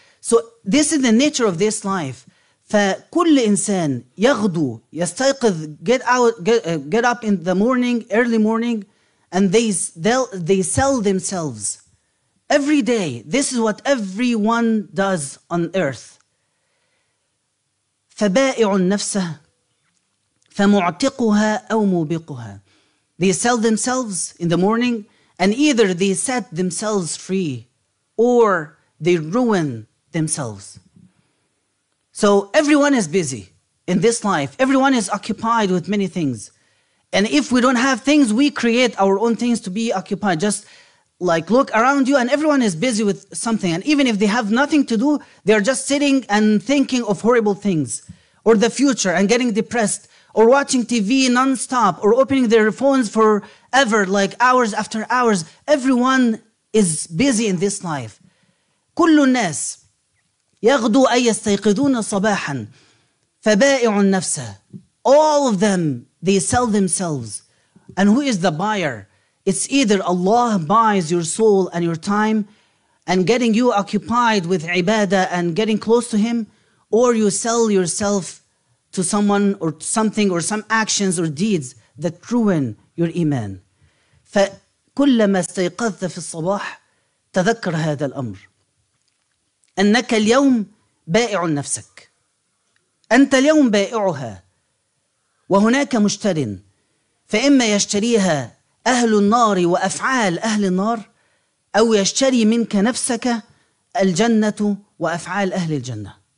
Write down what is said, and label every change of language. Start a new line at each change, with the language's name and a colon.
English: So this is the nature of this life.
Arabic: فكل إنسان يغدو يستيقظ
English: get up in the morning, early morning, and they sell themselves. Every day, this is what everyone does on earth.
Arabic: فبائع النفسة فمعتقها أو موبقها.
English: They sell themselves in the morning and either they set themselves free or they ruin themselves. So everyone is busy in this life. Everyone is occupied with many things. And if we don't have things, we create our own things to be occupied. Just like look around you and everyone is busy with something. And even if they have nothing to do, they are just sitting and thinking of horrible things or the future and getting depressed. Or watching TV non-stop, or opening their phones forever, like hours after hours. Everyone is busy in this life.
Arabic: كل الناس يغدو أي يستيقظون صباحا فبائع النفس.
English: All of them, they sell themselves. And who is the buyer? It's either Allah buys your soul and your time and getting you occupied with ibadah and getting close to Him, or you sell yourself to someone or something or some actions or deeds that ruin your iman.
Arabic: فكلما استيقظت في الصباح تذكر هذا الأمر. أنك اليوم بائع نفسك. أنت اليوم بائعها. وهناك مشتر. فإما يشتريها أهل النار وأفعال أهل النار أو يشتري منك نفسك الجنة وأفعال أهل الجنة.